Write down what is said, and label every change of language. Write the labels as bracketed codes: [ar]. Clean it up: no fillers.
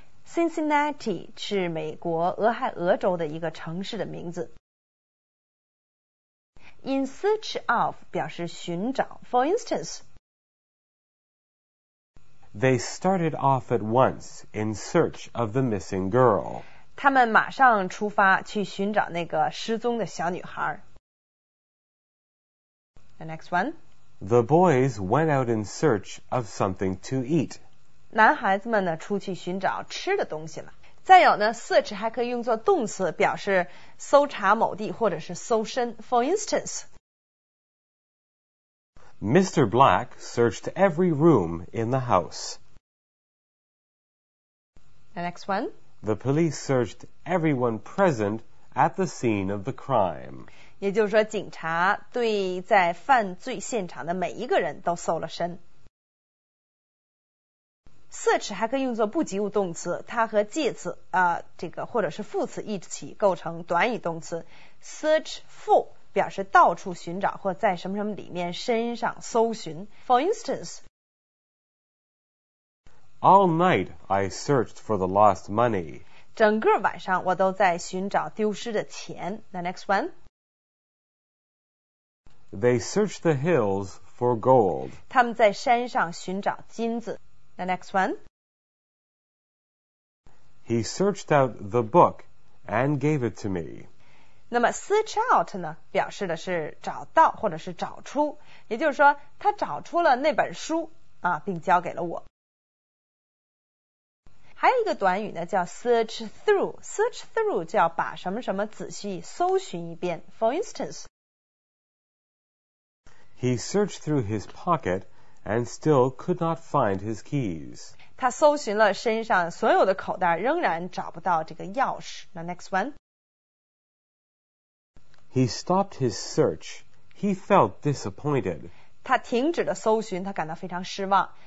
[zh] Cincinnati 是美国俄亥俄州的一个城市的名字。 [en] In search of [zh] 表示寻找。 [en] For instance, they started off at once in search of the missing girl. [zh] 他们马上出发去寻找那个失踪的小女孩。 [en] The next one. The boys went out in search of something to eat. [zh] 男孩子们呢出去寻找吃的东西了。再有呢 search 还可以用作动词表示搜查某地或者是搜身。 [en] For instance, Mr. Black searched every room in the house. The next one. The police searched everyone present at the scene of the crime. [zh] 也就是说警察对在犯罪现场的每一个人都搜了身。 Search 还可以用作不及物动词，它和介词或者是副词一起构成短语动词。 [en] Search for [zh] 表示到处寻找或在什么什么里面身上搜寻。 [en] For instance, All night I searched for the lost money. [zh] 整个晚上我都在寻找丢失的钱。 [en] The next one. They searched the hills for gold. [zh] 他们在山上寻找金子。 [en] The next one. He searched out the book and gave it to me. [zh] 那么 [en] search out [zh] 呢，表示的是找到或者是找出，也就是说他找出了那本书啊，并交给了我。还有一个短语呢，叫 [en] search through. Search through [zh] 叫把什么什么仔细搜寻一遍。 [en] For instance. He searched through his pocket and still could not find his keys. [zh] 他搜寻了身上所有的口袋，仍然找不到这个钥匙。 [en] The next one. He stopped his search. He felt disappointed. [zh] 他停止了搜寻，他感到非常失望。